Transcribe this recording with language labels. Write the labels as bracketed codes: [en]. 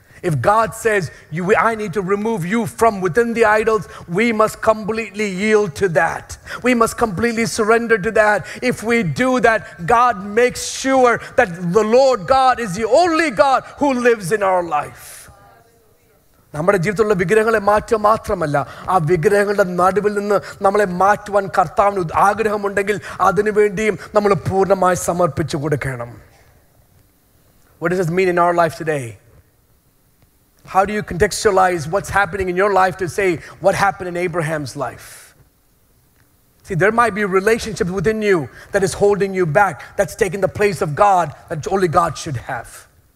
[en] If God says, I need to remove you from within the idols, we must completely yield to that. We must completely surrender to that. If we do that, God makes sure that the Lord God is the only God who lives in our life. [ml] നമ്മുടെ ജീവിതത്തിലുള്ള വിഗ്രഹങ്ങളെ മാറ്റുക മാത്രമല്ല, ആ വിഗ്രഹങ്ങളുടെ നടുവിൽ നിന്ന് നമ്മളെ മാറ്റുവാൻ കർത്താവിന് ആഗ്രഹമുണ്ടെങ്കിൽ അതിനുവേണ്ടിയും നമ്മൾ പൂർണ്ണമായി സമർപ്പിച്ചു കൊടുക്കണം. [en] What does this mean in our life today? How do you contextualize what's happening in your life to say what happened in Abraham's life? See, there might be relationships within you that is holding you back, that's taking the place of God that only God should have.